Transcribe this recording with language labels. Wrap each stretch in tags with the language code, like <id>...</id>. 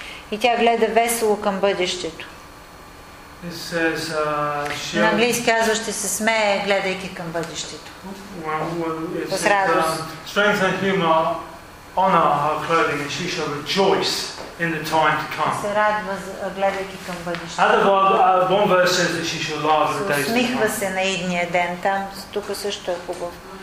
<bg>И тя гледа весело към бъдещето.</bg> <en>Says,</en> <bg>на английски казва, ще се смее, гледайки към бъдещето. С радост.</bg> <en>Strength and humor honor her clothing, and she shall rejoice in the time to come.</en> <bg>Се радва, гледайки към бъдещето.</bg> <en>One verse says that she shall laugh at the days to come.</en> <bg>Усмихва се на идния ден. Там, тук също е хубаво.</bg>